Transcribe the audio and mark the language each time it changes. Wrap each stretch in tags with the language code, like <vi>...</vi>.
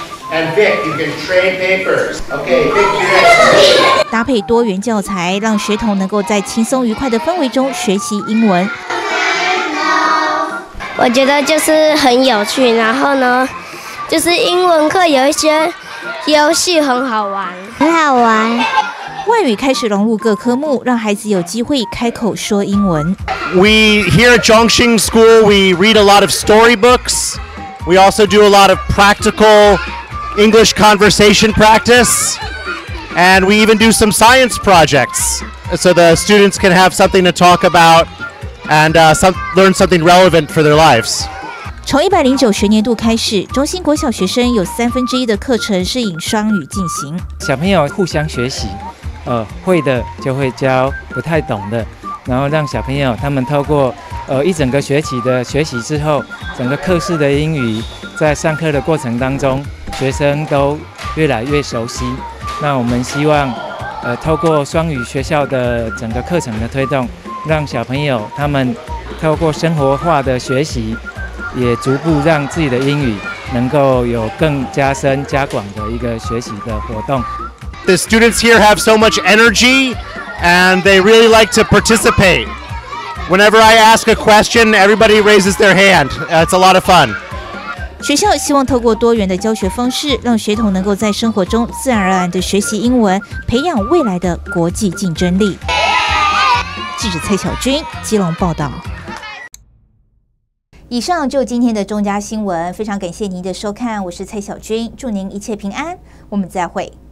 <en>And Vic, you can trade papers. Okay, thank you.</en> <zh>搭配多元教材，让学童能够在轻松愉快的氛围中学习英文。我觉得就是很有趣，然后呢，就是英文课有一些游戏很好玩，很好玩。外语开始融入各科目，让孩子有机会开口说英文。</zh> <en>We here at Zhongxing School, we read a lot of storybooks. We also do a lot of practical English conversation practice, and we even do some science projects, so the students can have something to talk about and learn something relevant for their lives.</en> <zh>从109学年度开始，中兴国小学生有三分之一的课程是以双语进行。小朋友互相学习，会的就会教，不太懂的，然后让小朋友他们透过一整个学期的学习之后，整个课室的英语在上课的过程当中，学生都越来越熟悉。那我们希望，透过双语学校的整个课程的推动，让小朋友他们透过生活化的学习。也逐步让自己的英语能够有更加深加广的一个学习的活动。</zh> <en>The students here have so much energy, and they really like to participate. Whenever I ask a question, everybody raises their hand. It's a lot of fun.</en> <zh>学校希望透过多元的教学方式，让学童能够在生活中自然而然的学习英文，培养未来的国际竞争力。记者蔡小军，基隆报道。以上就今天的中嘉新闻，非常感谢您的收看，我是蔡小军，祝您一切平安，我们再会。</zh>